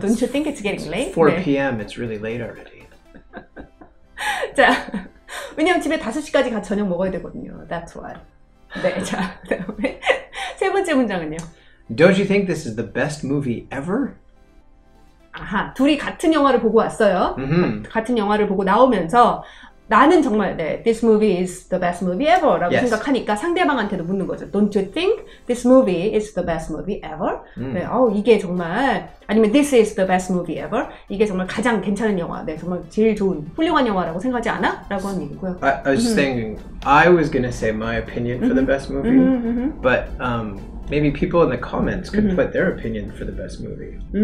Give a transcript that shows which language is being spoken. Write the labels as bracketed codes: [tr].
[en] Don't you think it's getting late? It's 4 p.m. 네. It's really late already. [ko] 자, 왜냐면 집에 5시까지 가서 저녁 먹어야 되거든요. [en] That's why. [ko] 네, 자, 그다음에 세 번째 문장은요. [en] Don't you think this is the best movie ever? [ko] 아하, 둘이 같은 영화를 보고 왔어요. Mm-hmm. 같은 영화를 보고 나오면서 나는 정말 네, [en] this movie is the best movie ever [ko] 라고 [en] yes. [ko] 생각하니까 상대방한테도 묻는 거죠. [en] Don't you think this movie is the best movie ever? Mm. 네, [ko] 이게 정말 아니면 [en] this is the best movie ever? [ko] 이게 정말 가장 괜찮은 영화, 네, 정말 제일 좋은, 훌륭한 영화라고 생각하지 않아? 라고 하는 얘기고요. [en] I was just thinking, I was gonna say my opinion for the best movie, but maybe people in the comments could put their opinion for the best movie.